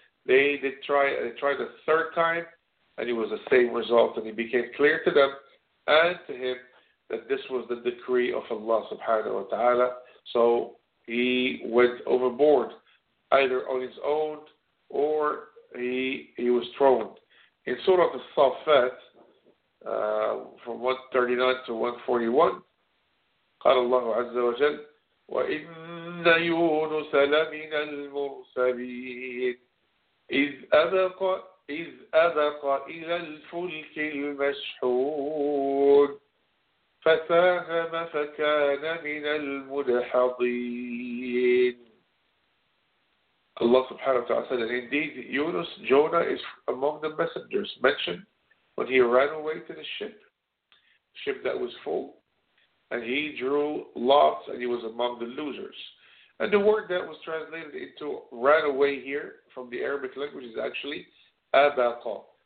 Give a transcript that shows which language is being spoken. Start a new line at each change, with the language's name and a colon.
English: They tried a third time, and it was the same result. And it became clear to them and to him that this was the decree of Allah subhanahu wa ta'ala. So he went overboard, either on his own or he was thrown. In Surah As-Saffat, from 139 to 141,
Arabic: قال الله عز وجل وَإِنَّ يُونُسَ لَمِنَ الْمُرْسَلِينَ إِذْ أَبَقَ إِلَى الْفُلْكِ الْمَشْحُونِ فَسَاهَمَ فَكَانَ مِنَ الْمُدْحَضِينَ.
English: Allah subhanahu wa ta'ala said that indeed Yunus, Jonah, is among the messengers mentioned when he ran away to the ship that was full, and he drew lots, and he was among the losers. And the word that was translated into right away here from the Arabic language is actually abaqa.